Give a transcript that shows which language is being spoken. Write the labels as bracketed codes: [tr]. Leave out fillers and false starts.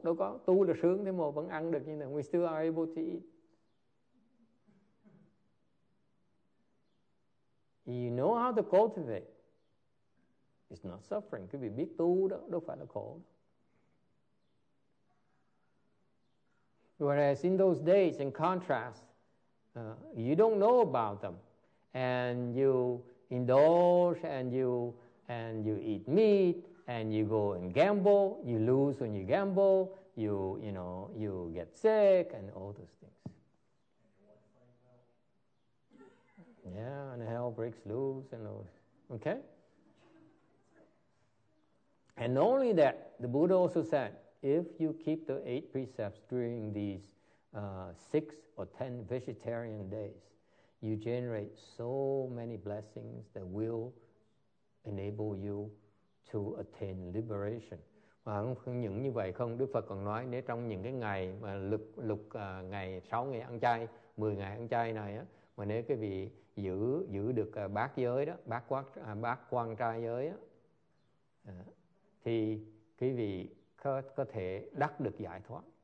[vi] Đâu có, tu là sướng thế mà vẫn ăn được như thế. [en] We still are able to eat. You know how to cultivate. It's not suffering. [vi] Quý vị biết tu đó, đâu phải là khổ. [en] Whereas in those days, in contrast, you don't know about them. And you indulge, and you eat meat. And you go and gamble, you lose when you gamble, you get sick and all those things. Yeah, and hell breaks loose and all. Okay? And not only that, the Buddha also said, if you keep the 8 precepts during these 6 or 10 vegetarian days, you generate so many blessings that will enable you to attain liberation. [vi] Mà không những như vậy không, Đức Phật còn nói nếu trong những cái ngày mà lục ngày 6 ngày ăn chay, 10 ngày ăn chay này á, mà nếu cái vị giữ được bát giới đó, bát quan trai giới á, thì cái vị có thể đắc được giải thoát.